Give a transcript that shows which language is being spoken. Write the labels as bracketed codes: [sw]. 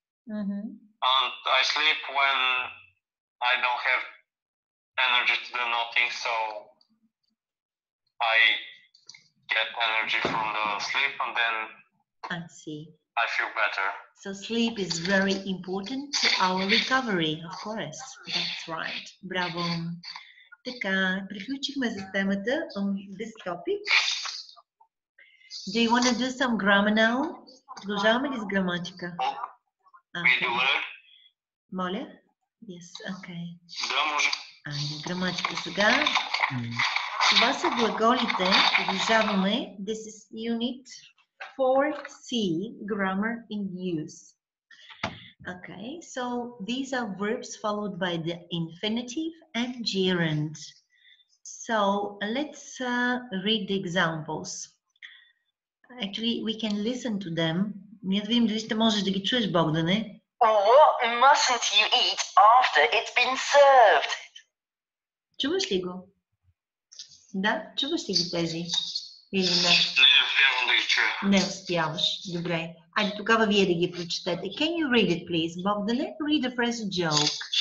[en] And I sleep when I don't have energy to do nothing, so I get energy from the sleep and then I see. I feel better. So sleep is very important to our recovery, of course. That's right. Bravo. [bg] Така, приключихме с темата [en] on this topic. Do you want to do some grammar now? [bg] Продължаваме ли с граматика? [en] Okay. [bg] Моля? [en] Yes, okay. [bg] Да, може. Айде, граматика сега. Това са глаголите. Продължаваме. [en] This is unit 4C, grammar in use. Okay, so these are verbs followed by the infinitive and gerund. So let's read the examples. Actually, we can listen to them. [bg] Ние да видим дали ще можеш да ги чуеш, Богдане. [en] What mustn't you eat after it's been served? [bg] Чуваш ли го? Да, чуваш ли ги тези? Или не? Не успяваш. Добре. Айде тогава вие да ги прочетете. [en] Can you read it, please? Богдане, read the first joke.